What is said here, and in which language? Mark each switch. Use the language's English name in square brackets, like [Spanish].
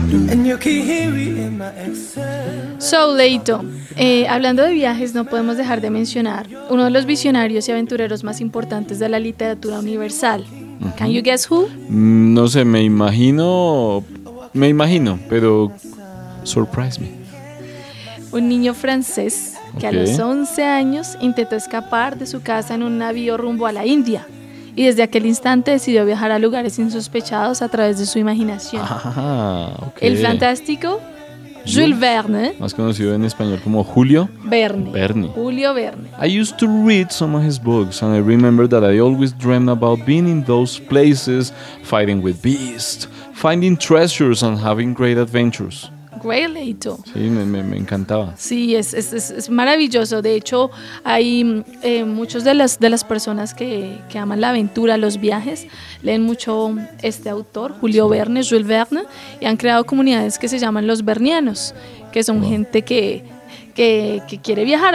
[English] And you can hear me in my accent. [Spanish] So, Leito, hablando de viajes, no podemos dejar de mencionar uno de los visionarios y aventureros más importantes de la literatura universal. [English] Uh-huh. Can you guess who? [Spanish] No sé, me imagino, pero [English] surprise me. [Spanish] Un niño francés que okay. A los 11 años intentó escapar de su casa en un navío rumbo a la India. Y desde aquel instante decidió viajar a lugares insospechados a través de su imaginación. [English] Ah, okay. [Spanish] El fantástico Jules Verne. Más conocido en español como Julio. Verne. Julio Verne. [English] I used to read some of his books and I remember that I always dreamed about being in those places, fighting with beasts, finding treasures and having great adventures. Great, Leito. [Spanish] Sí, me encantaba. Sí, es maravilloso. De hecho, hay muchos de las personas que aman la aventura, los viajes, leen mucho este autor, Julio Verne, Jules Verne, y han creado comunidades que se llaman los vernianos, que son gente que quiere viajar.